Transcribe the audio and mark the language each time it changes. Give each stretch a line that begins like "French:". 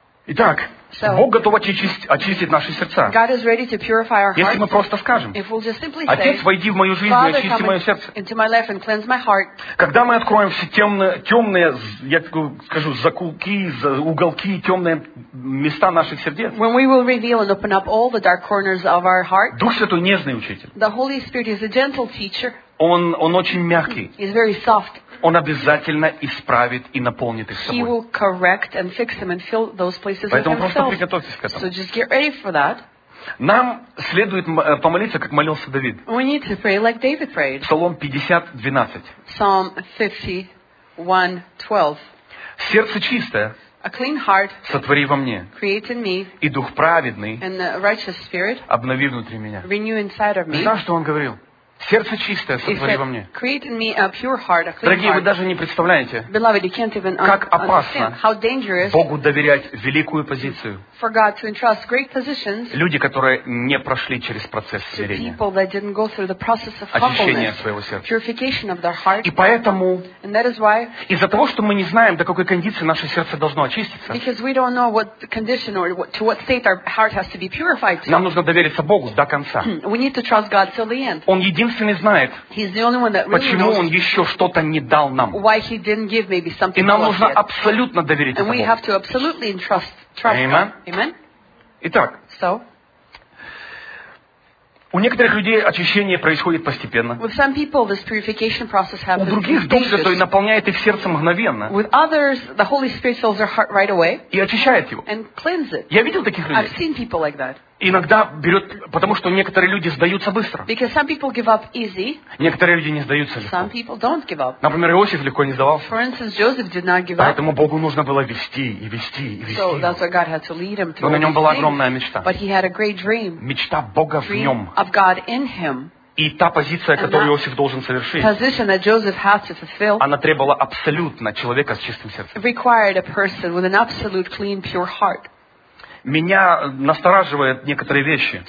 Russian: Итак,
English: so,
Russian: Бог готов очистить наши сердца.
English: God is ready to purify our hearts.
Russian: Если мы просто скажем,
English: if we'll just simply
Russian: Отец,
English: say,
Russian: войди в мою жизнь
English: Father,
Russian: и очисти мое сердце.
English: Into my life and cleanse my heart.
Russian: Когда мы откроем все темные, я скажу, закулки, уголки, темные места наших сердец,
English: when we will reveal and open up all the dark corners of our heart,
Russian: Дух Святой нежный учитель.
English: The Holy Spirit is a gentle teacher.
Russian: Он очень мягкий.
English: He's very soft.
Russian: Он обязательно исправит и наполнит их собой.
English: He will correct and fix them and fill those places
Russian: Поэтому
English: with
Russian: просто приготовьтесь к этому.
English: So just get ready for that.
Russian: Нам следует помолиться, как молился Давид.
English: We need to pray like David prayed.
Russian: Псалом 50:12.
English: Psalm 51:12.
Russian: Сердце чистое.
English: A clean heart.
Russian: Сотвори во мне.
English: Create in me.
Russian: И дух праведный.
English: And the righteous spirit.
Russian: Обнови внутри меня.
English: Renew inside of me.
Russian: Ты знаешь, что он говорил? Сердце чистое сотвори во мне.
English: Create in me a pure heart, a clean
Russian: Дорогие,
English: heart.
Russian: Вы даже не представляете,
English: Beloved, you can't even
Russian: как опасно Богу доверять великую позицию.
English: For God to entrust great positions
Russian: Люди, которые не прошли через процесс смирения.
English: People that didn't go through the process of
Russian: Очищение своего сердца.
English: Purification of their heart.
Russian: И поэтому,
English: And that is why,
Russian: из-за того, что мы не знаем, до какой кондиции наше сердце должно очиститься,
English: Because we don't know what condition or to what state our heart has to be purified to.
Russian: Нам нужно довериться Богу до конца.
English: We need to trust God till the end.
Russian: Он единственный знает,
English: really
Russian: почему
English: knows
Russian: Он еще что-то не дал нам.
English: Why he didn't give maybe something
Russian: И нам нужно абсолютно доверить
English: And
Russian: Богу.
English: We have to absolutely entrust Amen.
Russian: Итак,
English: so,
Russian: у некоторых людей очищение происходит постепенно.
English: With some people, this purification process happens.
Russian: У других Дух Святой наполняет их сердце мгновенно.
English: With others, the Holy Spirit fills their heart right away.
Russian: И очищает его.
English: And cleanses it.
Russian: Я видел таких людей.
English: I've seen people like that.
Russian: Иногда берет, потому что некоторые люди сдаются быстро.
English: Because some people give up easy.
Russian: Некоторые люди не сдаются легко.
English: Some people don't give up.
Russian: Например, Иосиф легко не сдавался.
English: For instance, Joseph did not give up.
Russian: Поэтому Богу нужно было вести.
English: So that's why God had to lead him to
Russian: Но на нем была огромная мечта.
English: But he had a great dream.
Russian: Мечта Бога
English: dream
Russian: в нем.
English: Of God in him.
Russian: И та позиция, которую Иосиф должен совершить,
English: position that Joseph had to fulfill,
Russian: она требовала абсолютно человека с чистым сердцем.
English: Required a person with an absolute clean, pure heart.
Russian: Меня настораживают некоторые вещи.